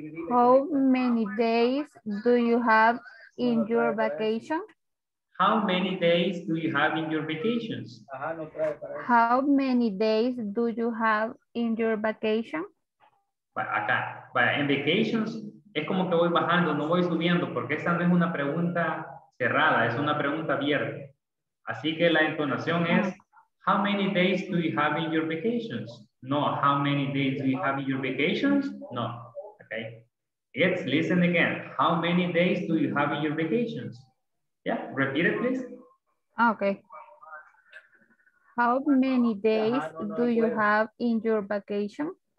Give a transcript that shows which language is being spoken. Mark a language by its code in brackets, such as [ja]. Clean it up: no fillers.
[en] How many days do you have in your vacation? How many days do you have in your vacations? How many days do you have in your vacation? [es] Acá, vaya, en vacations es como que voy bajando, no voy subiendo, porque esta no es una pregunta cerrada, es una pregunta abierta. Así que la entonación es, [en] how many days do you have in your vacations? No, how many days do you have in your vacations? No, okay. It's, listen again, how many days do you have in your vacations? Yeah, repeat it please. Okay. How many days do you have in your vacation?